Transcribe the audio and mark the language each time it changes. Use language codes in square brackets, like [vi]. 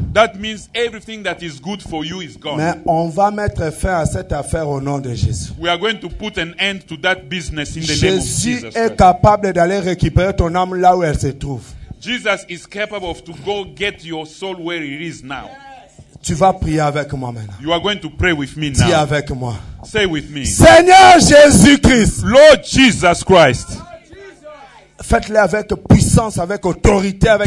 [en] That means everything that is good for you is gone. [fr] Mais on va mettre fin à cette affaire au nom de Jésus. [en] We are going to put an end to that business in the [fr] Jésus [en] name of Jesus. [fr] Jésus est capable d'aller récupérer ton âme là où elle se trouve. [en] Jesus is capable of to go get your soul where it is now. [fr] Tu vas prier avec moi maintenant. [en] You are going to pray with me now. [fr] Dis avec moi. [en] Say with me. [fr] Seigneur Jésus-Christ. [en] Lord Jesus Christ. [fr] Faites-le avec puissance, avec autorité, avec